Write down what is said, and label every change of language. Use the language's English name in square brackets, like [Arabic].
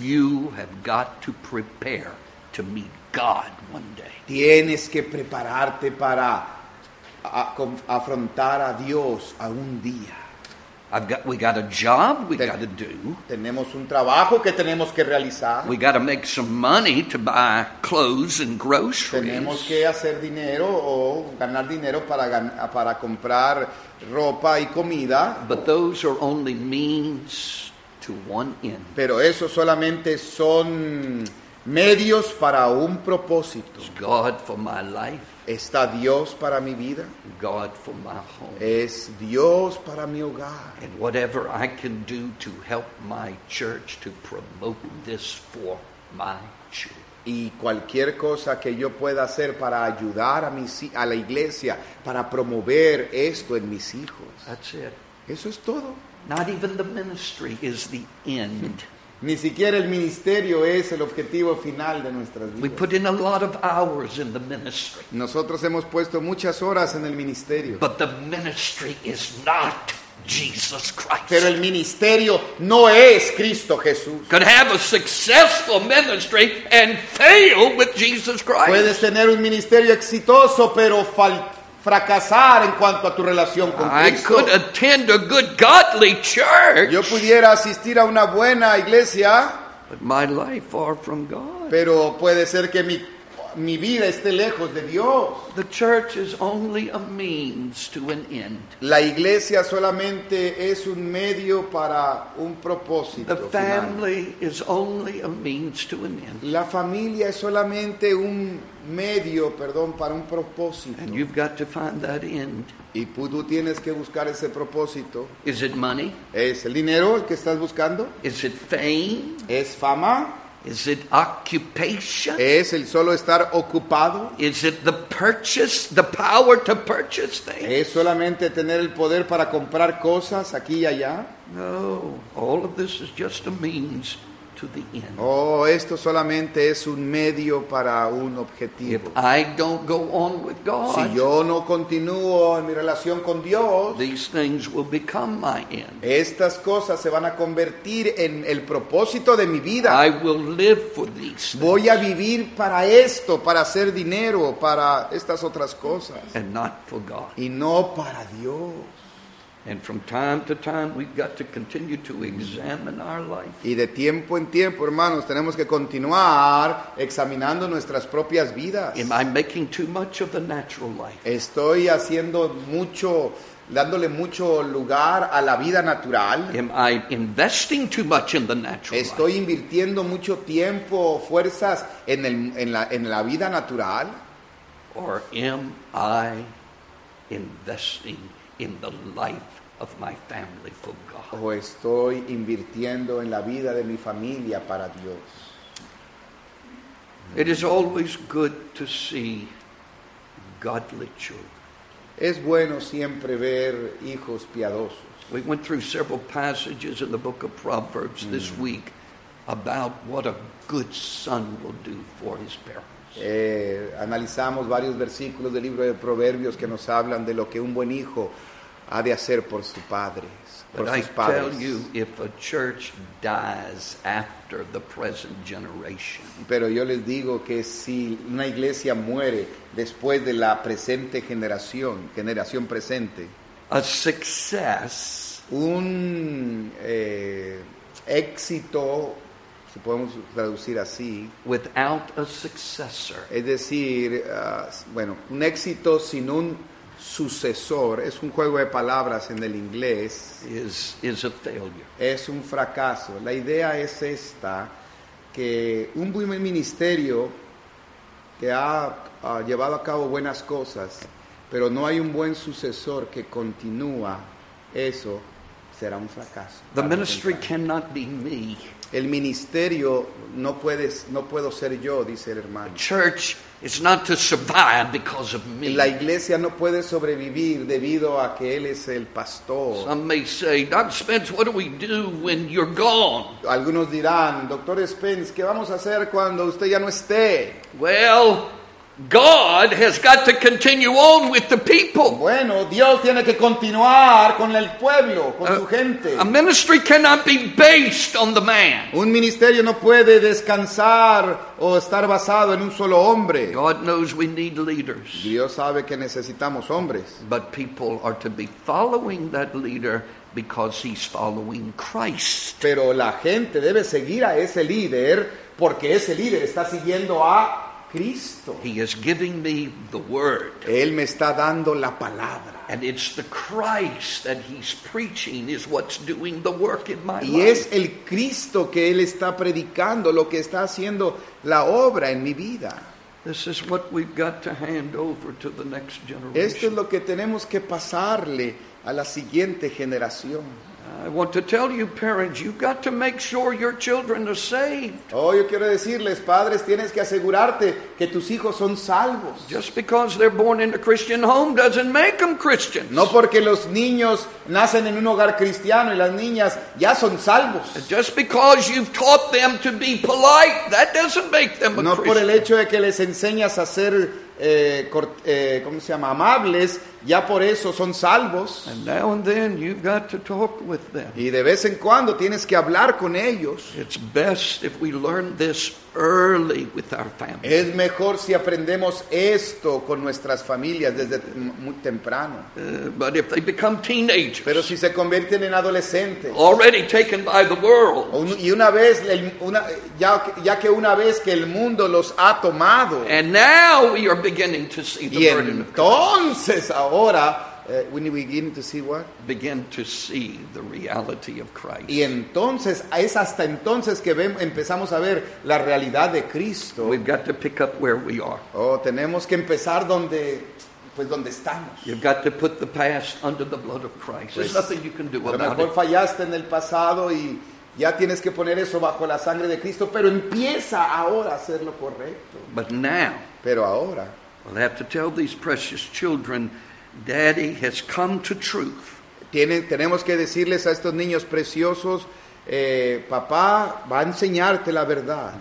[English] You have got to prepare to meet God one day. [Spanish] Tienes que prepararte para afrontar a Dios a un día. [English] We got a job we got to do. [Spanish] Tenemos un trabajo que tenemos que realizar. [English] We got to make some money to buy clothes and groceries. [Spanish] Tenemos que hacer dinero o ganar dinero para comprar ropa y comida. [English] But those are only means to one end. [Spanish] Pero eso solamente son medios para un propósito. [English] It's God for my life. [Spanish] ¿Está Dios para mi vida? [English] God for my home. [Spanish] Es Dios para mi hogar. [English] And whatever I can do to help my church to promote this for my children. [Spanish] Y cualquier cosa que yo pueda hacer para ayudar a la iglesia para promover esto en mis hijos. [English] That's it. [Spanish] Eso es todo. [English] Not even the ministry is the end. [Spanish] Ni siquiera el ministerio es el objetivo final de nuestras vidas. [English] We put in a lot of hours in the ministry. [Spanish] Nosotros hemos puesto muchas horas en el ministerio. [English] But the ministry is not Jesus Christ. [Spanish] Pero el ministerio no es Cristo Jesús. [English] Could have a successful ministry and fail with Jesus Christ. [Spanish] Puedes tener un ministerio exitoso pero fracasar en cuanto a tu relación con Cristo. [English] I could attend a good godly church. [Spanish] Yo pudiera asistir a una buena iglesia. [English] But my life far from God. [Spanish] Pero puede ser que mi vida esté lejos de Dios. [English] The church is only a means to an end. [Spanish] La iglesia solamente es un medio para un propósito. [English] The family is only a means to an end. [Spanish] La familia es solamente un medio, perdón, para un propósito. [English] And you've got to find that end. [Spanish] Y tú tienes que buscar ese propósito. [English] Is it money? [Spanish] ¿Es el dinero el que estás buscando? [English] Is it fame? [Spanish] ¿Es fama? [English] Is it occupation? [Spanish] ¿Es el solo estar ocupado? [English] Is it the purchase, the power to purchase things? [Spanish] ¿Es solamente tener el poder para comprar cosas aquí y allá? [English] No, all of this is just a means to the end. [Spanish] Oh, esto solamente es un medio para un objetivo. [English] If I don't go on with God, [Spanish] si yo no continúo en mi relación con Dios, [English] these things will become my end. [Spanish] Estas cosas se van a convertir en el propósito de mi vida. [English] I will live for these things. [Spanish] Voy a vivir para esto, para hacer dinero, para estas otras cosas. [English] And not for God. [Spanish] Y no para Dios. [English] And from time to time, we've got to continue to examine our life. [Spanish] Y de tiempo en tiempo, hermanos, tenemos que continuar examinando nuestras propias vidas. [English] Am I making too much of the natural life? [Spanish] Estoy haciendo mucho, dándole mucho lugar a la vida natural. [English] Am I investing too much in the natural life? [Spanish] Estoy invirtiendo mucho tiempo, fuerzas en la vida natural. [English] Or am I investing in the life of my family for God? [Spanish] O estoy invirtiendo en la vida de mi familia para Dios. [English] It is always good to see godly children. [Spanish] Es bueno siempre ver hijos piadosos. [English] We went through several passages in the book of Proverbs this week about what a good son will do for his parents. [Spanish] Analizamos varios versículos del libro de Proverbios que nos hablan de lo que un buen hijo ha de hacer por sus padres, por [English] But [Spanish] sus padres. [English] I tell you, if a church dies after the present generation, [Spanish] pero yo les digo que si una iglesia muere después de la presente generación presente, [English] a success, [Spanish] un éxito, si podemos traducir así, [English] without a successor, [Spanish] es decir, bueno, un éxito sin un sucesor, es un juego de palabras en el inglés, [English] is a failure. [Spanish] Es un fracaso. La idea es esta, que un buen ministerio que ha llevado a cabo buenas cosas, pero no hay un buen sucesor que continúa, eso será un fracaso. [English] The ministry cannot be me. [Spanish] El ministerio no puedo ser yo, dice el hermano. [English] Church is not to survive because of me. [Spanish] La iglesia no puede sobrevivir debido a que él es el pastor. [English] Some may say, Dr. Spence, what do we do when you're gone? [Spanish] Algunos dirán, Dr. Spence, ¿qué vamos a hacer cuando usted ya no esté? [English] Well, God has got to continue on with the people. [Spanish] Bueno, Dios tiene que continuar con el pueblo, con su gente. [English] A ministry cannot be based on the man. [Spanish] Un ministerio no puede descansar o estar basado en un solo hombre. [English] God knows we need leaders. [Spanish] Dios sabe que necesitamos hombres. [English] But people are to be following that leader because he's following Christ. [Spanish] Pero la gente debe seguir a ese líder porque ese líder está siguiendo a Cristo. [English] He is giving me the word. [Spanish] Él me está dando la palabra. [English] And it's the Christ that he's preaching is what's doing the work in my life. [Spanish] Y es el Cristo que él está predicando lo que está haciendo la obra en mi vida. [English] This is what we've got to hand over to the next generation. [Spanish] Esto es lo que tenemos que pasarle a la siguiente generación. [English] I want to tell you, parents, you've got to make sure your children are saved. [Spanish] Oh, yo quiero decirles, padres, tienes que asegurarte que tus hijos son salvos. [English] Just because they're born in a Christian home doesn't make them Christians. [Spanish] No porque los niños nacen en un hogar cristiano y las niñas ya son salvos. [English] Just because you've taught them to be polite, that doesn't make them a Christian. [Spanish] No por el hecho de que les enseñas a ser ¿cómo se llama? Amables, ya por eso son salvos. [English] And now and then you've got to talk with them. [Spanish] Y de vez en cuando tienes que hablar con ellos. [English] It's best if we learn this early with our family. [Spanish] Es mejor si aprendemos esto con nuestras familias desde muy temprano. [English] But if they become teenagers, [Spanish] pero si se convierten en adolescentes, [English] already taken by the world, [Spanish] y una vez ya que una vez que el mundo los ha tomado, [English] and now we are beginning to see the burden of Christ. [Spanish] Entonces ahora [English] when we begin to see what? Begin to see the reality of Christ. [Spanish] Y entonces, es hasta entonces que empezamos a ver la realidad de Cristo. [English] We've got to pick up where we are. [Spanish] Oh, tenemos que empezar donde, pues donde estamos. [English] You've got to put the past under the blood of Christ. [Spanish] Pues, [English] there's nothing you can do about it. [Spanish] A lo mejor fallaste en el pasado y ya tienes que poner eso bajo la sangre de Cristo, pero empieza ahora a hacer lo correcto. [English] But now, [Spanish] pero ahora, [English] I'll have to tell these precious children, Daddy has come to truth. [Spanish] Tenemos que decirles a estos niños preciosos, papá va a enseñarte la verdad.